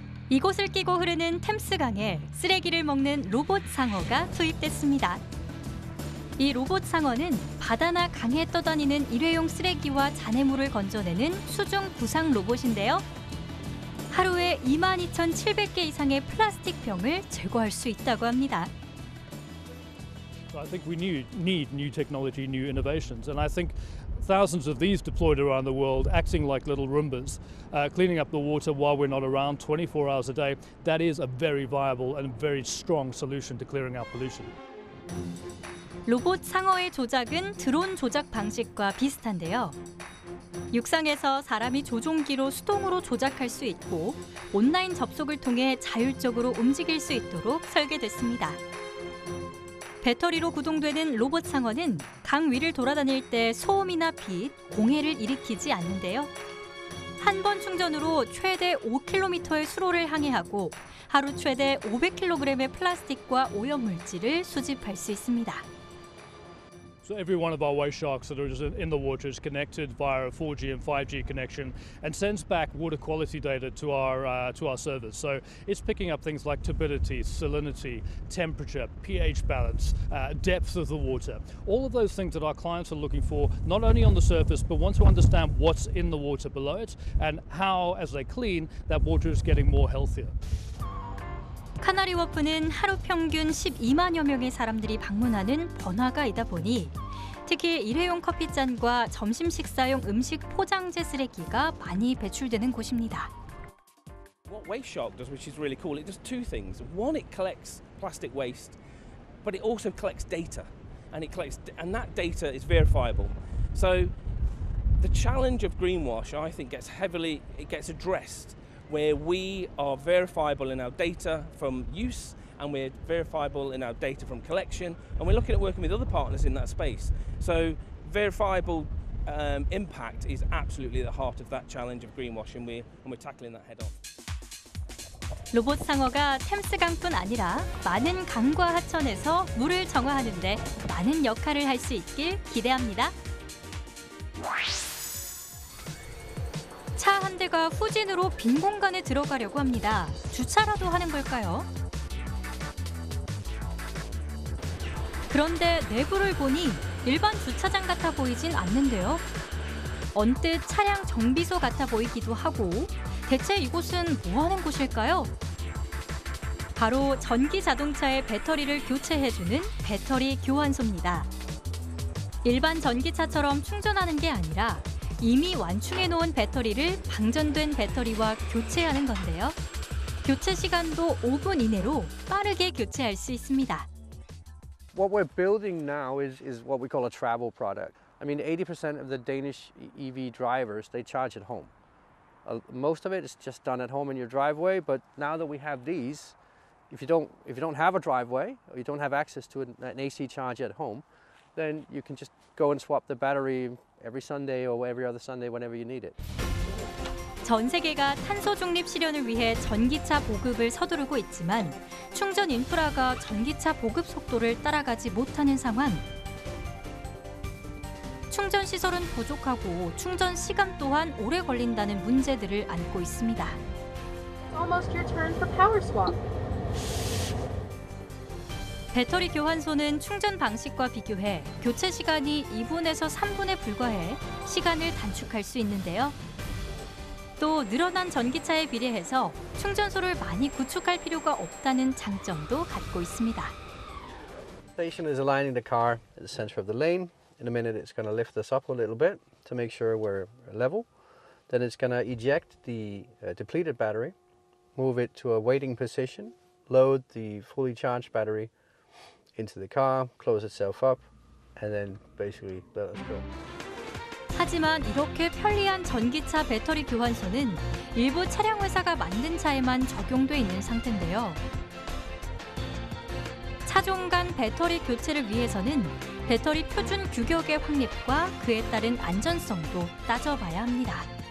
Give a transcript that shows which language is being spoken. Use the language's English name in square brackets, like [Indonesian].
[Korean] 이곳을 끼고 흐르는 템스강에 쓰레기를 먹는 로봇 상어가 투입됐습니다. 이 로봇 상어는 바다나 강에 떠다니는 일회용 쓰레기와 잔해물을 건져내는 수중 부상 로봇인데요. 하루에 22,700개 이상의 플라스틱 병을 제거할 수 있다고 합니다. [English] I think we need new technology, new innovations, and I think thousands of these deployed around the world, acting like little Roombas, cleaning up the water while we're not around, 24 hours a day. That is a very viable and very strong solution to clearing out pollution. [Korean] 로봇 상어의 조작은 드론 조작 방식과 비슷한데요. 육상에서 사람이 조종기로 수동으로 조작할 수 있고 온라인 접속을 통해 자율적으로 움직일 수 있도록 설계됐습니다. 배터리로 구동되는 로봇 상어는 강 위를 돌아다닐 때 소음이나 빛, 공해를 일으키지 않는데요. 한 번 충전으로 최대 5km의 수로를 항해하고 하루 최대 500kg의 플라스틱과 오염물질을 수집할 수 있습니다. [English] So every one of our whale sharks that are in the water is connected via a 4G and 5G connection and sends back water quality data to our servers. So it's picking up things like turbidity, salinity, temperature, pH balance, depth of the water. All of those things that our clients are looking for, not only on the surface, but want to understand what's in the water below it and how, as they clean, that water is getting more healthier. [Korean] 카나리 워프는 하루 평균 12만여 명의 사람들이 방문하는 번화가이다 보니 특히 일회용 커피잔과 점심 식사용 음식 포장재 쓰레기가 많이 배출되는 곳입니다. [English] What Waste Shark does, which is really cool, it does two things. One, it collects plastic waste, but it also collects data, and that data is verifiable. So the challenge of greenwash, I think, gets addressed. Where we are verifiable in our data from use, and we're verifiable in our data from collection, and we're looking at working with other partners in that space. So verifiable impact is absolutely the heart of that challenge of greenwashing, and we're tackling that head on. [Korean] 로봇 상어가 템스강뿐 아니라 많은 강과 하천에서 물을 정화하는 데 많은 역할을 할 수 있길 기대합니다. 차 한 대가 후진으로 빈 공간에 들어가려고 합니다. 주차라도 하는 걸까요? 그런데 내부를 보니 일반 주차장 같아 보이진 않는데요. 언뜻 차량 정비소 같아 보이기도 하고 대체 이곳은 뭐 하는 곳일까요? 바로 전기 자동차의 배터리를 교체해주는 배터리 교환소입니다. 일반 전기차처럼 충전하는 게 아니라 이미 완충해 놓은 배터리를 방전된 배터리와 교체하는 건데요. 교체 시간도 5분 이내로 빠르게 교체할 수 있습니다. [English] What we're building now is what we call a travel product. I mean, 80% of the Danish EV drivers, they charge at home. Most of it is just done at home in your driveway, but now that we have these, if you don't have a driveway or you don't have access to an AC charger at home, then you can just go and swap the battery every Sunday or every other Sunday whenever you need it. [Korean] 전 세계가 탄소 중립 실현을 위해 전기차 보급을 서두르고 있지만 충전 인프라가 전기차 보급 속도를 따라가지 못하는 상황. 충전 시설은 부족하고 충전 시간 또한 오래 걸린다는 문제들을 안고 있습니다. [English] Almost your turn for power swap. [Korean] 배터리 교환소는 충전 방식과 비교해 교체 시간이 2분에서 3분에 불과해 시간을 단축할 수 있는데요. 또 늘어난 전기차에 비례해서 충전소를 많이 구축할 필요가 없다는 장점도 갖고 있습니다. [English] Station is aligning the car at the center of the lane. In a minute it's going to lift us up a little bit to make sure we're level. Then it's going to eject the depleted battery, move it to a waiting position, load the fully charged battery into the car, close itself up, and then basically let us go. [Korean] 하지만 이렇게 편리한 전기차 배터리 교환소는 일부 차량 회사가 만든 차에만 적용돼 있는 상태인데요. 차종 간 배터리 교체를 위해서는 배터리 표준 규격의 확립과 그에 따른 안전성도 따져봐야 합니다.